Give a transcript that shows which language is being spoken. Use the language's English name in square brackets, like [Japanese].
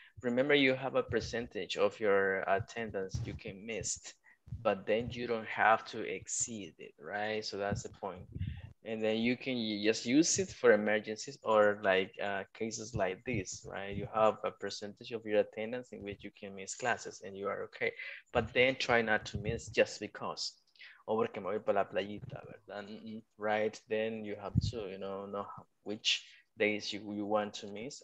[English] Remember, you have a percentage of your attendance you can miss, but then you don't have to exceed it, right? So that's the point. And then you can just use it for emergencies or like cases like this, right? You have a percentage of your attendance in which you can miss classes and you are okay. But then try not to miss just because. [Spanish] O porque me voy para la playita, ¿verdad? [English] Right, then you have to, you know which days you want to miss.